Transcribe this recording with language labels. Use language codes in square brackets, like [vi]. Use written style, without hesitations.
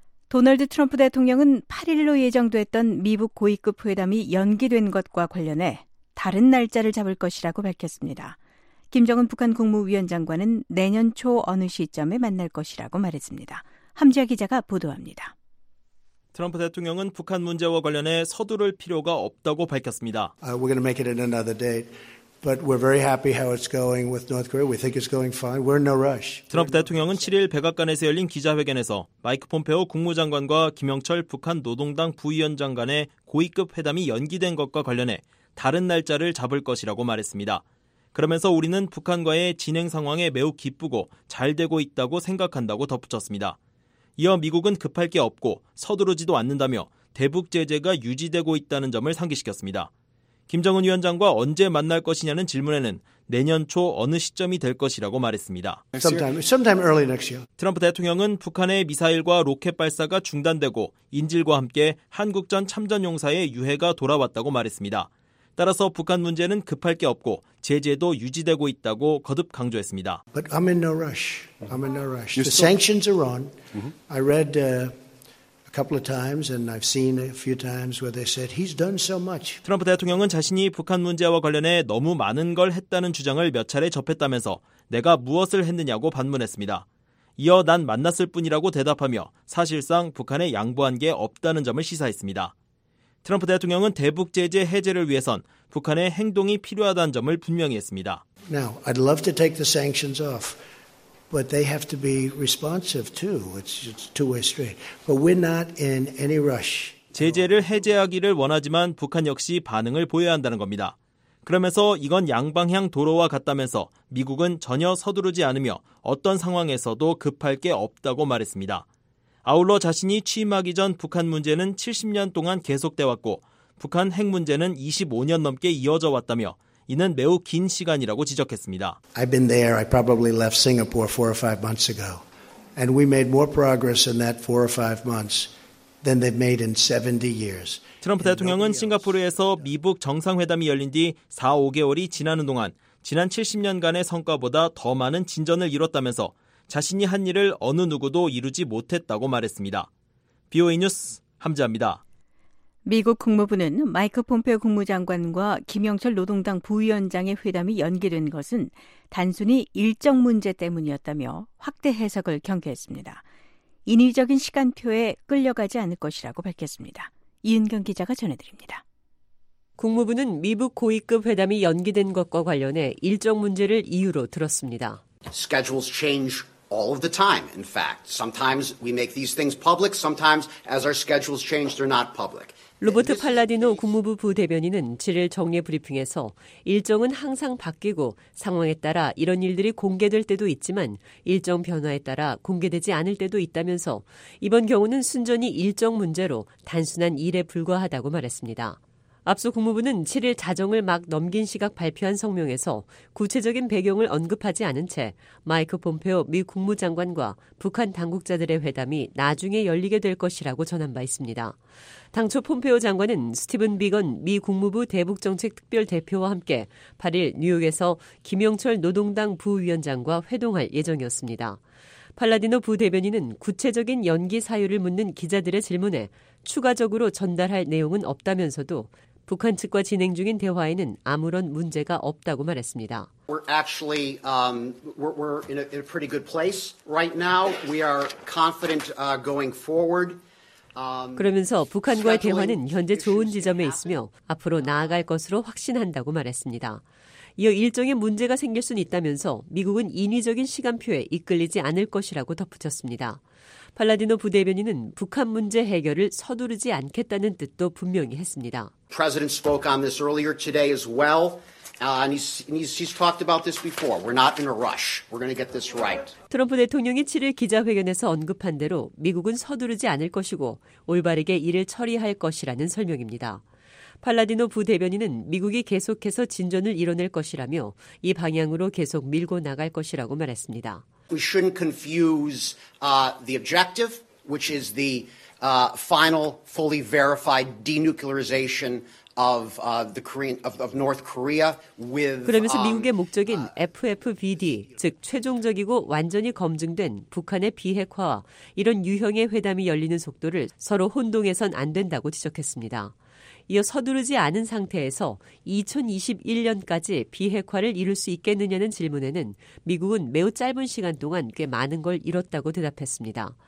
[ko] 도널드 트럼프 대통령은 8일로 예정됐던 미국 고위급 회담이 연기된 것과 관련해 다른 날짜를 잡을 것이라고 밝혔습니다. 김정은 북한 국무위원장과는 내년 초 어느 시점에 만날 것이라고 말했습니다. 함지아 기자가 보도합니다. 트럼프 대통령은 북한 문제와 관련해 서두를 필요가 없다고 밝혔습니다. [en] We're going to make it in another date, but we're very happy how it's going with North Korea. We think it's going fine. We're in no rush. [ko] 트럼프 대통령은 7일 백악관에서 열린 기자회견에서 마이크 폼페오 국무장관과 김영철 북한 노동당 부위원장 간의 고위급 회담이 연기된 것과 관련해 다른 날짜를 잡을 것이라고 말했습니다. 그러면서 우리는 북한과의 진행 상황에 매우 기쁘고 잘 되고 있다고 생각한다고 덧붙였습니다. 이어 미국은 급할 게 없고 서두르지도 않는다며 대북 제재가 유지되고 있다는 점을 상기시켰습니다. 김정은 위원장과 언제 만날 것이냐는 질문에는 내년 초 어느 시점이 될 것이라고 말했습니다. [en] Sometime early next year. [ko] 트럼프 대통령은 북한의 미사일과 로켓 발사가 중단되고 인질과 함께 한국전 참전용사의 유해가 돌아왔다고 말했습니다. 따라서 북한 문제는 급할 게 없고 제재도 유지되고 있다고 거듭 강조했습니다. [en] But I'm in no rush. I'm in no rush. The sanctions are on. I read a couple of times and I've seen a few times where they said he's done so much. [ko] 트럼프 대통령은 자신이 북한 문제와 관련해 너무 많은 걸 했다는 주장을 몇 차례 접했다면서 내가 무엇을 했느냐고 반문했습니다. 이어 난 만났을 뿐이라고 대답하며 사실상 북한에 양보한 게 없다는 점을 시사했습니다. 트럼프 대통령은 대북 제재 해제를 위해선 북한의 행동이 필요하다는 점을 분명히 했습니다. [en] Now, I'd love to take the sanctions off, but they have to be responsive too. It's two-way street. But we're not in any rush. [ko] 제재를 해제하기를 원하지만 북한 역시 반응을 보여야 한다는 겁니다. 그러면서 이건 양방향 도로와 같다면서 미국은 전혀 서두르지 않으며 어떤 상황에서도 급할 게 없다고 말했습니다. 아울러 자신이 취임하기 전 북한 문제는 70년 동안 계속돼 왔고 북한 핵 문제는 25년 넘게 이어져 왔다며 이는 매우 긴 시간이라고 지적했습니다. [en] I've been there. I probably left Singapore 4 or 5 months ago. And we made more progress in that 4 or 5 months than they've made in 70 years. [ko] 트럼프 대통령은 싱가포르에서 미북 정상회담이 열린 뒤 4~5개월이 지나는 동안 지난 70년간의 성과보다 더 많은 진전을 이뤘다면서 자신이 한 일을 어느 누구도 이루지 못했다고 말했습니다. BOA 뉴스 함지아입니다. 미국 국무부는 마이크 폼페오 국무장관과 김영철 노동당 부위원장의 회담이 연기된 것은 단순히 일정 문제 때문이었다며 확대 해석을 경계했습니다. 인위적인 시간표에 끌려가지 않을 것이라고 밝혔습니다. 이은경 기자가 전해드립니다. 국무부는 미국 고위급 회담이 연기된 것과 관련해 일정 문제를 이유로 들었습니다. [en] Schedules change all of the time. In fact, sometimes we make these things public. Sometimes, as our schedules change, they're not public. [ko] 로버트 팔라디노 국무부 부대변인은 7일 정례 브리핑에서 일정은 항상 바뀌고 상황에 따라 이런 일들이 공개될 때도 있지만 일정 변화에 따라 공개되지 않을 때도 있다면서 이번 경우는 순전히 일정 문제로 단순한 일에 불과하다고 말했습니다. 앞서 국무부는 7일 자정을 막 넘긴 시각 발표한 성명에서 구체적인 배경을 언급하지 않은 채 마이크 폼페오 미 국무장관과 북한 당국자들의 회담이 나중에 열리게 될 것이라고 전한 바 있습니다. 당초 폼페오 장관은 스티븐 비건 미 국무부 대북정책특별대표와 함께 8일 뉴욕에서 김영철 노동당 부위원장과 회동할 예정이었습니다. 팔라디노 부대변인은 구체적인 연기 사유를 묻는 기자들의 질문에 추가적으로 전달할 내용은 없다면서도 북한 측과 진행 중인 대화에는 아무런 문제가 없다고 말했습니다. [en] We're actually we're in a pretty good place right now. We are confident going forward. [ko] 그러면서 북한과의 대화는 현재 좋은 지점에 있으며 앞으로 나아갈 것으로 확신한다고 말했습니다. 이어 일정에 문제가 생길 수는 있다면서 미국은 인위적인 시간표에 이끌리지 않을 것이라고 덧붙였습니다. 팔라디노 부대변인은 북한 문제 해결을 서두르지 않겠다는 뜻도 분명히 했습니다. [en] President spoke on this earlier today as well. And he's talked about this before. We're not in a rush. We're going to get this right. [ko] 트럼프 대통령이 7일 기자회견에서 언급한 대로 미국은 서두르지 않을 것이고 올바르게 이를 처리할 것이라는 설명입니다. 팔라디노 부대변인은 미국이 계속해서 진전을 이뤄낼 것이라며 이 방향으로 계속 밀고 나갈 것이라고 말했습니다. [en] We shouldn't confuse the objective, which is the final, fully verified denuclearization of North Korea with [ko] 그러면서 미국의 목적인 FFVD, 즉 최종적이고 완전히 검증된 북한의 비핵화와 이런 유형의 회담이 열리는 속도를 서로 혼동해선 안 된다고 지적했습니다. 이어 서두르지 않은 상태에서 2021년까지 비핵화를 이룰 수 있겠느냐는 질문에는 미국은 매우 짧은 시간 동안 꽤 많은 걸 이뤘다고 대답했습니다.